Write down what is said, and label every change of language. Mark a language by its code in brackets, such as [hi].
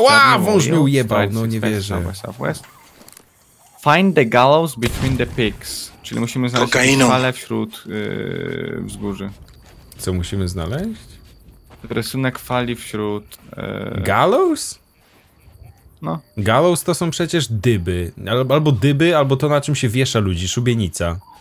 [pl] wow, wąż mnie ujebał, no nie wierzę. [en] Find the gallows between the pigs. [pl] Czyli musimy znaleźć fale wśród wzgórzy. Co musimy znaleźć? Rysunek fali wśród... [en] Gallows? [pl] No. Gallows to są przecież dyby. Albo dyby, albo to, na czym się wiesza ludzi. Szubienica.